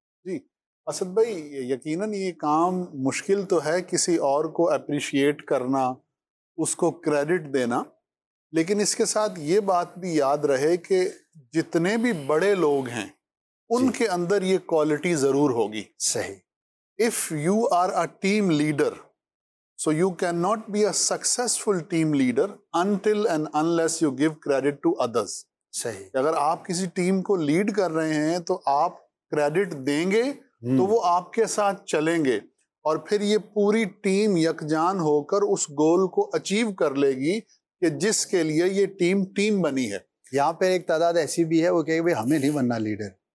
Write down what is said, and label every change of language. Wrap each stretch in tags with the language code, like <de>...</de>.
<ur>جی اسد بھائی, یقیناً یہ کام مشکل تو ہے, کسی اور کو اپریشیٹ کرنا, اس کو کریڈٹ دینا, لیکن اس کے ساتھ یہ بات بھی یاد رہے کہ جتنے بھی بڑے لوگ ہیں ان کے اندر یہ کوالٹی ضرور ہوگی. صحیح.</ur> <en>If you are a team leader, so you cannot be a successful team leader until and unless you give credit to others.</en> <ur>صحیح. اگر آپ کسی ٹیم کو لیڈ کر رہے ہیں تو آپ کریڈٹ دیں گے تو وہ آپ کے ساتھ چلیں گے, اور پھر یہ پوری ٹیم یکجان ہو کر اس گول کو اچیو کر لے گی کہ جس کے لیے یہ ٹیم ٹیم بنی ہے. یہاں پہ ایک تعداد ایسی بھی ہے وہ کہے بھائی ہمیں نہیں بننا لیڈر.</ur>